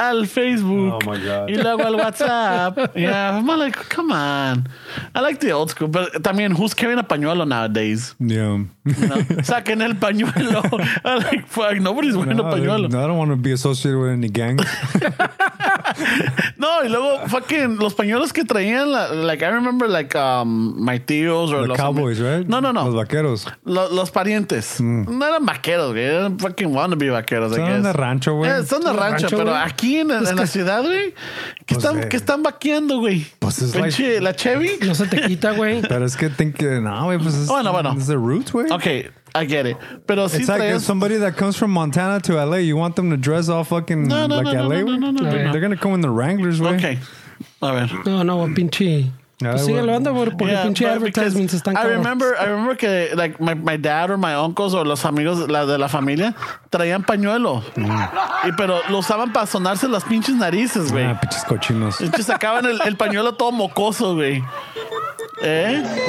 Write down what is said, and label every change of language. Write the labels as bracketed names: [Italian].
[Spanish] Al Facebook, [English] oh my God. Y luego al WhatsApp. Yeah, I'm like, come on. I like the old school, but también, who's carrying a pañuelo nowadays? Yeah. You know? Saquen el pañuelo. I'm like, fuck, nobody's wearing a pañuelo. No, I don't want to be associated with any gang. [Spanish] No, y luego, fucking, los pañuelos que traían la... [English] Like, I remember, like, my tios or... The [Spanish] los [English] cowboys, right? No. [Spanish] Los vaqueros. Los parientes. Mm. No eran vaqueros, güey. They didn't fucking want to be vaqueros, son [English] I guess. [Spanish] Son de rancho, güey. Yeah, son de rancho, pero wey? Aquí en la ciudad, güey, que están, hey. Están vaqueando, güey? Pues es like... ¿La Chevy? No se te quita, güey. Pero es que think que... No, güey, pues es... Bueno. Es the roots, güey. [English] Okay. I get it. But it's like if somebody that comes from Montana to LA, you want them to dress all fucking like LA? No. They're going to come in the Wranglers way. [Spanish] Okay. A ver. No, a pinche. I remember que like my dad or my uncles or los amigos la de la familia traían pañuelo pero lo usaban para sonarse las pinches narices, güey. Ah, pinches cochinos. Y sacaban el pañuelo todo mocoso, güey. ¿Eh?